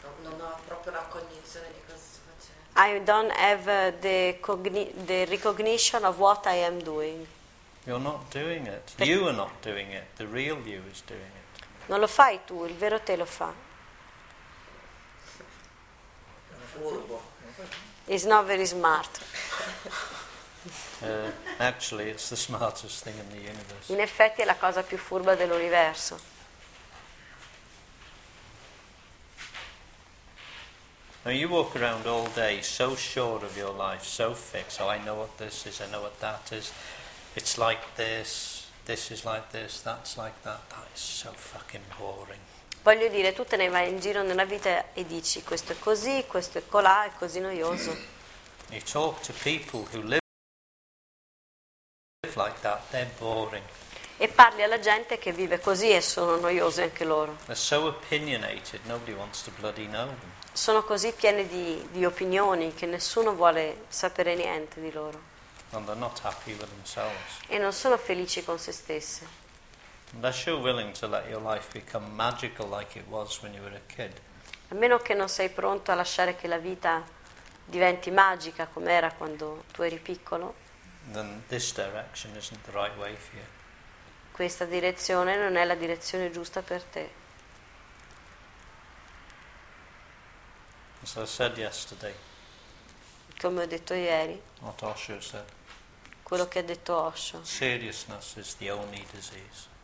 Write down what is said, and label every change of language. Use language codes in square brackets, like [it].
[it] Non ho proprio la cognizione di cosa sto facendo. [en] I don't have the recognition of what I am doing. You're not doing it. You are not doing it. The real you is doing it. [it] Non lo fai tu, il vero te lo fa. Furbo. [en] He's not very smart. Actually, it's the smartest thing in the universe. [it] In effetti è la cosa più furba dell'universo. [en] Now you walk around all day so sure of your life, so fixed. Oh, I know what this is, I know what that is. It's like this, this is like this, that's like that. That is so fucking boring. [it] Voglio dire, tu te ne vai in giro nella vita e dici questo è così, questo è colà, è così noioso. [en] You talk to people who live like that, they're boring. [it] e parli alla gente che vive così e sono noiosi anche loro. [en] They're so opinionated, nobody wants to bloody know them. [it] Sono così pieni di opinioni che nessuno vuole sapere niente di loro. [en] And they're not happy with themselves. [it] E non sono felici con se stesse. [en] Unless you're willing to let your life become magical like it was when you were a kid. [it] A meno che non sei pronto a lasciare che la vita diventi magica come era quando tu eri piccolo. [en] Then this direction isn't the right way for you. [it] Questa direzione non è la direzione giusta per te. [en] As I said yesterday. [it] Come ho detto ieri. [en] What Osho said. [it] Quello che ha detto Osho. [en] Seriousness is the only disease.